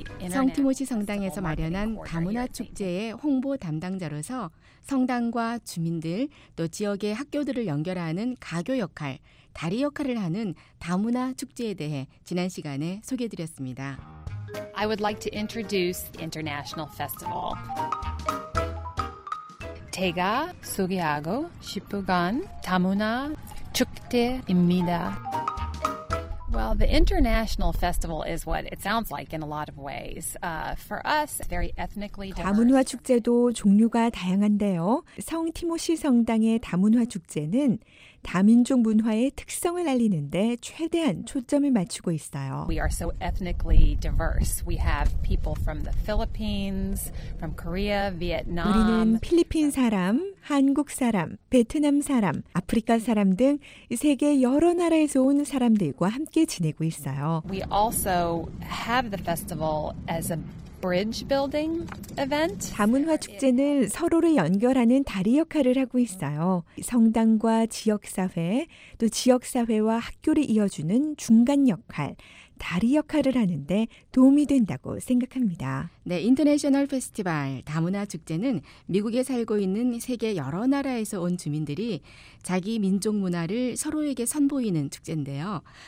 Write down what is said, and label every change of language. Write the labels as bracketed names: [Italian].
[Korean] 성티모시 성당에서 마련한 다문화 축제의 홍보 담당자로서 성당과 주민들 또 지역의 학교들을 연결하는 가교 역할, 다리 역할을 하는 다문화 축제에 대해 지난 시간에 소개해드렸습니다. [English] I would like to introduce International Festival. [Korean] 제가 소개하고 싶은 다문화 축제입니다. [English] Well, the International Festival is what it sounds like in a lot of ways. For us, very ethnically diverse. [Korean] 다문화 축제도 종류가 다양한데요. 성 티모시 성당의 다문화 축제는 다민족 문화의 특성을 알리는데 최대한 초점을 맞추고 있어요. [English] We are so ethnically diverse. We have people from the Philippines, from Korea, Vietnam. [Korean] 우리는 필리핀 사람, 한국 사람, 베트남 사람, 아프리카 사람 등 세계 여러 나라에서 온 사람들과 함께 지내고 있어요. [English] We also have the festival as a bridge building event. [Korean] 다문화 축제는 서로를 연결하는 다리 역할을 하고 있어요. 성당과 지역사회, 또 지역사회와 학교를 이어주는 중간 역할, 다리 역할을 하는데 도움이 된다고 생각합니다. 네, 인터내셔널 페스티벌 다문화 축제는 미국에 살고 있는 세계 여러 나라에서 온 주민들이 자기 민족 문화를 서로에게 선보이는 축제인데요.